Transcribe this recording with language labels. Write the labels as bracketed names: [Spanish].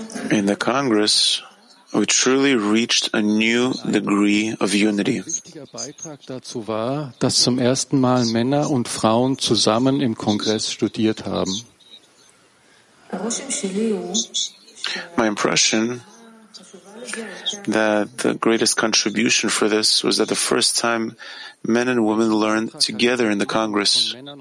[English] In the Congress, we truly reached a new degree of unity. [German] Der Beitrag dazu war, dass zum ersten Mal Männer und Frauen zusammen im Kongress studiert haben. [English] My impression that the greatest contribution for this was that the first time men and women learned together in the Congress.